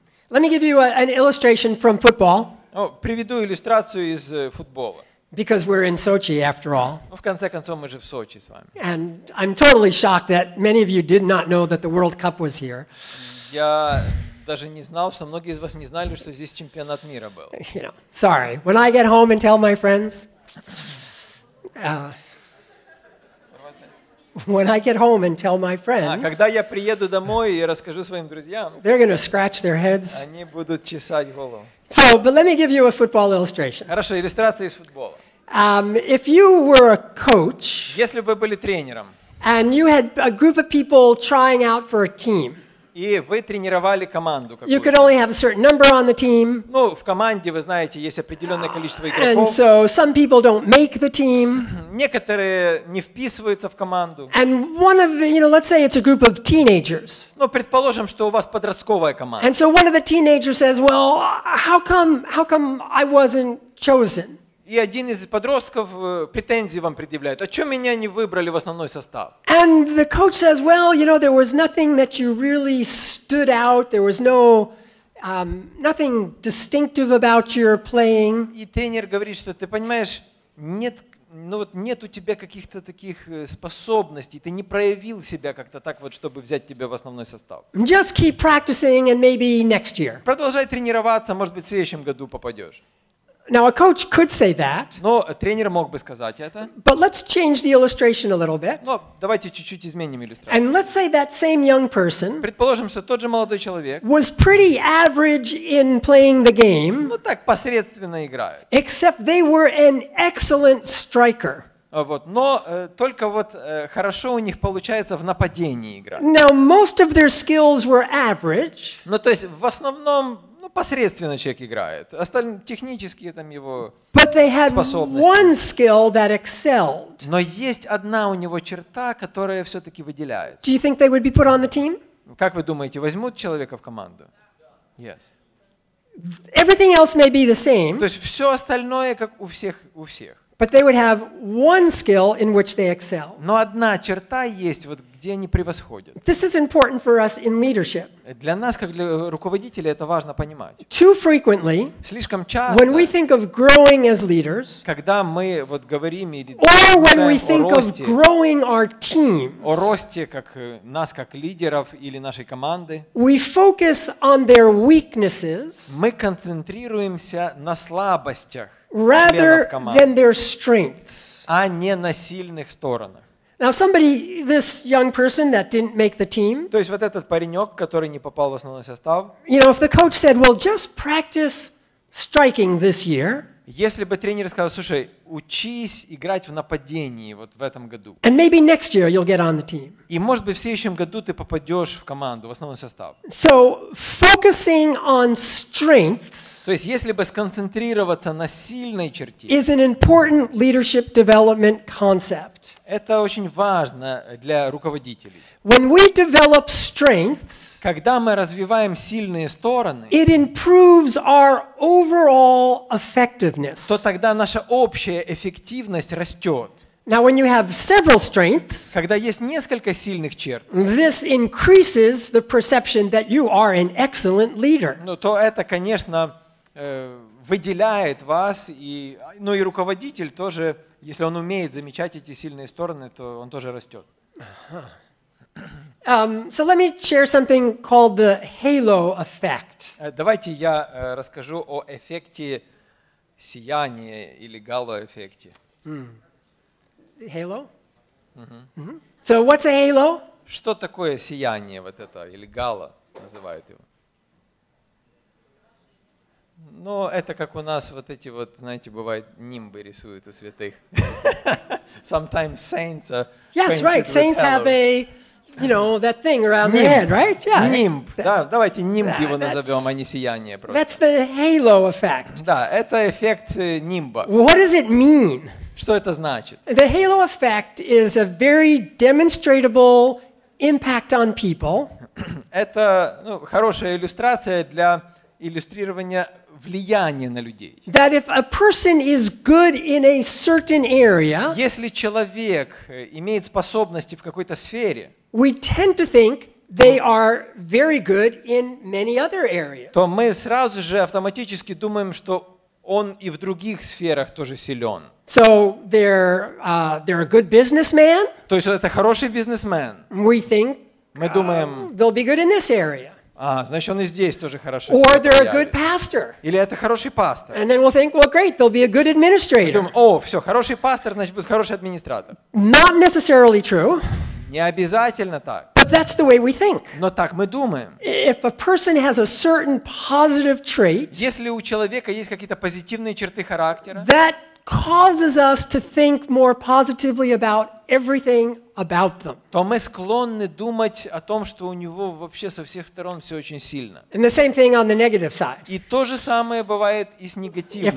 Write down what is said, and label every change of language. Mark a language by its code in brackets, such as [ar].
[en] let me give you an illustration from football. [ru] Приведу иллюстрацию из футбола. [en] Because we're in Sochi, after all. [ru] В конце концов, мы же в Сочи с вами. [en] And I'm totally shocked that many of you did not know that the World Cup was here. [ru] Я даже не знал, что многие из вас не знали, что здесь чемпионат мира был. [en] You know, sorry. When I get home and tell my friends, when I get home and tell my friends, [ru] когда я приеду домой и расскажу своим друзьям, [en] they're going to scratch their heads. [ru] Они будут чесать голову. [en] So, but let me give you a football illustration. [ru] Хорошо, иллюстрация из футбола. [en] If you were a coach, [ru] если бы вы были тренером, [en] and you had a group of people trying out for a team. [ru] И вы тренировали команду какую-то. [en] You could only have a certain number on the team. [ru] Ну, в команде, вы знаете, есть определенное количество игроков. [en] And so some people don't make the team. [ru] Некоторые не вписываются в команду. [en] And one of, you know, let's say it's a group of teenagers. [ru] Ну, предположим, что у вас подростковая команда. [en] And so one of the teenagers says, "Well, how come I wasn't chosen?" [ru] И один из подростков претензии вам предъявляет. А что меня не выбрали в основной состав? [en] And the coach says, well, you know, there was nothing that you really stood out. There was no nothing distinctive about your playing. [ru] И тренер говорит, что ты понимаешь, нет у тебя каких-то таких способностей. Ты не проявил себя как-то так вот, чтобы взять тебя в основной состав. [en] Just keep practicing and maybe next year. [ru] Продолжай тренироваться, может быть, в следующем году попадешь. [en] Now a coach could say that. [ru] Но тренер мог бы сказать это. [en] But let's change the illustration a little bit. [ru] Но давайте чуть-чуть изменим иллюстрацию. [en] And let's say that same young person. [ru] Предположим, что тот же молодой человек. [en] Was pretty average in playing the game. [ru] Ну так посредственно играет. [en] Except they were an excellent striker. [ru] Вот. Но только вот хорошо у них получается в нападении играть. [en] Now most of their skills were average. [ru] Ну то есть в основном посредственно человек играет. Остальные технические там его способности. [en] But they had one skill that excelled. [ru] Но есть одна у него черта, которая все-таки выделяется. [en] Do you think they would be put on the team? [ru] Как вы думаете, возьмут человека в команду? [en] Yes. Everything else may be the same. [ru] То есть все остальное как у всех у всех. [en] But they would have one skill in which they excel. [ru] Но одна черта есть, вот где они превосходят. [en] This is important for us in leadership. [ru] Для нас, как для руководителей, это важно понимать. [en] Too frequently, [ru] слишком часто, [en] when we think of growing as leaders, [ru] когда мы вот говорим или [en] or when we think of growing our teams, [ru] о росте как нас как лидеров или нашей команды, [en] we focus on their weaknesses, [ru] мы концентрируемся на слабостях [en] rather than their strengths, [ru] а не на сильных сторонах. [en] Now somebody, this young person that didn't make the team. [ru] То есть вот этот паренек, который не попал в основной состав. [en] You know, if the coach said, "Well, just practice striking this year." [ru] Если бы тренер сказал, слушай, учись играть в нападении вот в этом году. [en] And maybe next year you'll get on the team. [ru] И может быть в следующем году ты попадешь в команду, в основной состав. [en] So focusing on strengths. [ru] То есть если бы сконцентрироваться на сильной черте. [en] Is an important leadership development concept. [ru] Это очень важно для руководителей. [en] When we develop strengths. [ru] Когда мы развиваем сильные стороны. [en] It improves our overall effectiveness. [ru] То тогда наша общая эффективность растет. [en] Now when you have several strengths. [ru] Когда есть несколько сильных черт. [en] This increases the perception that you are an excellent leader. [ru] Ну то это, конечно, выделяет вас и, ну и руководитель тоже. Если он умеет замечать эти сильные стороны, то он тоже растет. [en] So let me share something called the halo effect. [ru] Давайте я расскажу о эффекте сияния или гало-эффекте. [en] Halo? Mm-hmm. So what's a halo? [ru] Что такое сияние вот это, или гало называют его? Ну, это как у нас вот эти вот, знаете, бывает, нимбы рисуют у святых. [en] Sometimes saints are. Yes, right. Saints have a, you know, that thing around their head, right? Yeah. [ru] Нимб. Да, давайте нимб его назовем, а не сияние просто. [en] That's the halo effect. [ru] Да, это эффект нимба. [en] What does it mean? [ru] Что это значит? [en] The halo effect is a very demonstrable impact on people. [ru] Это, ну, хорошая иллюстрация для иллюстрирования влияние на людей. [en] That if a person is good in a certain area, [ru] если человек имеет способности в какой-то сфере, [en] we tend to think they are very good in many other areas. [ru] То мы сразу же автоматически думаем, что он и в других сферах тоже силен. [en] So they're a good businessman. [ru] То есть это хороший бизнесмен. [en] We think [ru] мы думаем, [en] they'll be good in this area. [ru] А, значит, он и здесь тоже хорошо себя проявит. [en] Or they're a good pastor. [ru] Или это хороший пастор. [en] And then we'll think, well, great, they'll be a good administrator. [ru] О, все, хороший пастор, значит, будет хороший администратор. [en] Not necessarily true. [ru] Не обязательно так. [en] But that's the way we think. [ru] Но так мы думаем. [en] If a person has a certain positive trait, [ru] если у человека есть какие-то позитивные черты характера, [en] that causes us to think more positively about everything about them. [ru] То мы склонны думать о том, что у него вообще со всех сторон все очень сильно. [en] And the same thing on the negative side. [ru] И то же самое бывает и с негативной стороны.